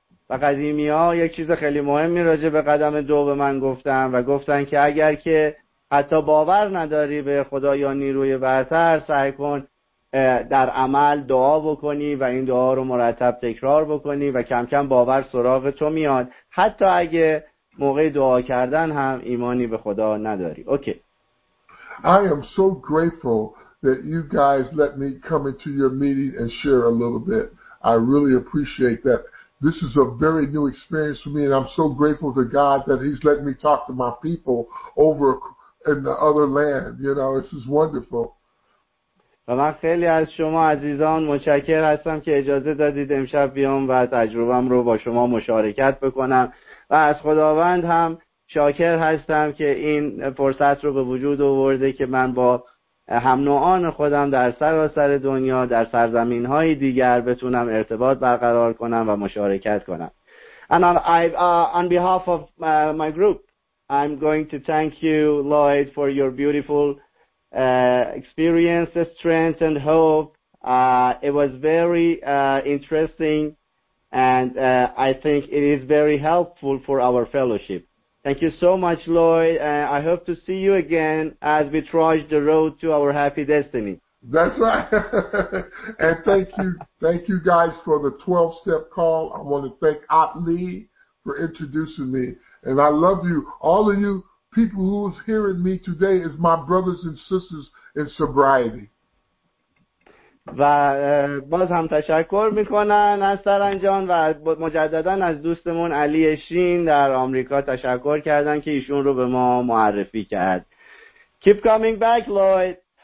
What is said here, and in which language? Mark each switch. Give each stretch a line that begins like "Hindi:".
Persian: و قدیمی ها یک چیز خیلی مهمی راجع به قدم دو به من گفتن و گفتن که اگر که حتی باور نداری به خدا یا نیروی برتر، سعی کن در عمل دعا بکنی و این دعا رو مرتب تکرار بکنی و کم کم باور سراغ تو میاد، حتی اگه موقع دعا کردن هم ایمانی به خدا نداری.
English: Okay. I am so grateful that you guys let me come into your meeting and share a little bit. I really appreciate that. This is a very new experience for me, and I'm so grateful to God that he's letting me talk to my people over in the other land. You know, this is wonderful.
Persian: و من خیلی از شما عزیزان متشکر هستم که اجازه دادید امشب بیام و تجربم رو با شما مشارکت بکنم و از خداوند هم شاکر هستم که این فرصت رو به وجود آورده که من با هم نوعان خودم در سراسر دنیا در سرزمین های دیگر بتونم ارتباط برقرار کنم و مشارکت کنم.
English: And on behalf of my group, I'm going to thank you, Lloyd, for your beautiful experience, strength, and hope. It was very interesting, and I think it is very helpful for our fellowship. Thank you so much, Lloyd. I hope to see you again as we trudge the road to our happy destiny. That's right. And thank you. Thank you guys for the 12-step call. I want to thank Ot Lee for introducing me. And I love you. All of you people who's hearing me today is my brothers and sisters in sobriety.
Persian: و باز هم تشکر میکنن از سرانجان و مجددن از دوستمون علی شین در آمریکا تشکر کردن که ایشون رو به ما معرفی کرد.
English: Keep coming back, Lloyd.